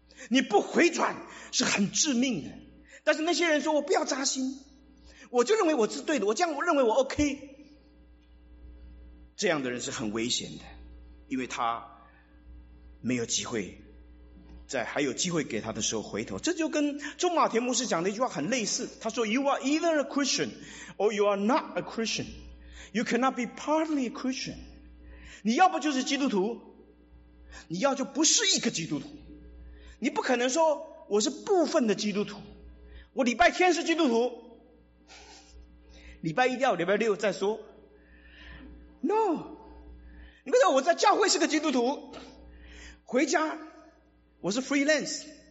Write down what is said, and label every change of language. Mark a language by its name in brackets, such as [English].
[Chinese] 你不回转是很致命的。但是那些人说我不要扎心，我就认为我是对的，我这样我认为我 OK， 这样的人是很危险的，因为他没有机会在还有机会给他的时候回头。这就跟中马田牧师讲的一句话很类似，他说 [English] You are either a Christian or you are not a Christian. You cannot be partly a Christian. [Chinese] 你要不就是基督徒，你要就不是一个基督徒。你不可能说我是部分的基督徒，我礼拜天是基督徒，礼拜一到礼拜六再说。 No， 你不知道我在教会是个基督徒，回家我是 freelance。